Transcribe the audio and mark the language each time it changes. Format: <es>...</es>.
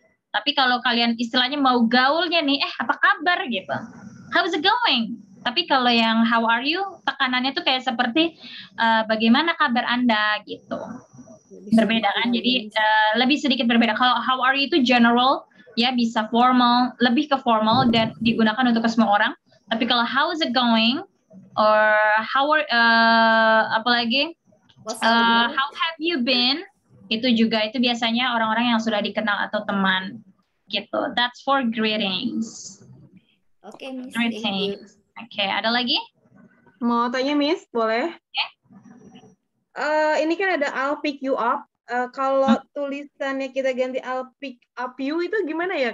<id>Tapi kalau kalian istilahnya mau gaulnya nih, apa kabar gitu.</id> <en>How's it going?</en> <id>Tapi kalau yang</id> <en>how are you,</en> <id>tekanannya tuh kayak seperti bagaimana kabar Anda gitu. Berbeda kan? Jadi lebih sedikit berbeda. Kalau</id> <en>how are you</en> <id>itu general, ya bisa formal, lebih ke formal dan digunakan untuk ke semua orang. Tapi kalau</id> <en>how's it going, or how are,</en> <id>apalagi,</id> <en>how have you been?</en> <id>Itu juga, itu biasanya orang-orang yang sudah dikenal atau teman, gitu.</id> <en>That's for greetings.</en> <id>Oke, Miss. Greetings. Oke, ada lagi? Mau tanya, Miss, boleh? Oke. Okay. Ini kan ada</id> <en>I'll pick you up.</en> <id>Kalau tulisannya kita ganti</id> <en>I'll pick up you,</en> <id>itu gimana ya?</id>